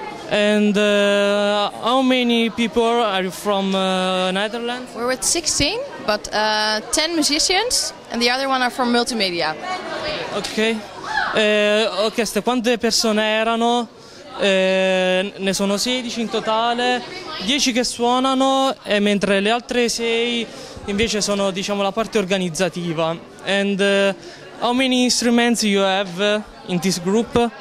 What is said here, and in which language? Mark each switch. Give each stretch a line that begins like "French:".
English: And how many people are you from Netherlands? We're with 16, but 10 musicians and the other one are from multimedia.
Italian: Ok, ho chiesto quante persone erano, ne sono 16 in totale, 10 che suonano, e mentre le altre 6 invece sono, diciamo, la parte organizzativa.
English: And how many instruments you have in this group?